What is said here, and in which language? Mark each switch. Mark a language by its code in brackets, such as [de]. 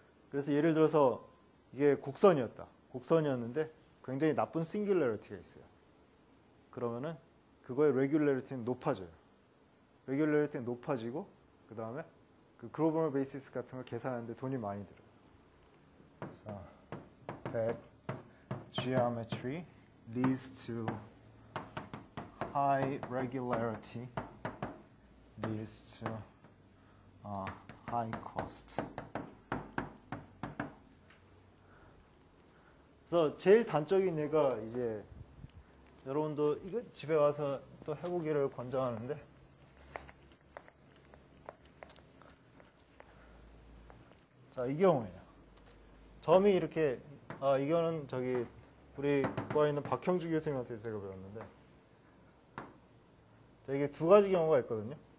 [ko] 그래서 예를 들어서 이게 곡선이었다. 곡선이었는데 굉장히 나쁜 싱귤러리티가 있어요. 그러면은 그거의 레귤러리티는 높아져요. 레귤러리티는 높아지고 그다음에 그 글로벌 베이시스 같은 걸 계산하는데 돈이 많이 들어요. 그래서 [en] that geometry leads to high regularity leads to high cost. [ko] 그래서 제일 단적인 얘가 이제 여러분도 이거 집에 와서 또 해보기를 권장하는데 자, 이 경우에요. 점이 이렇게 아 이거는 저기 우리 과에 있는 박형주 교수님한테 제가 배웠는데 자, 이게 두 가지 경우가 있거든요.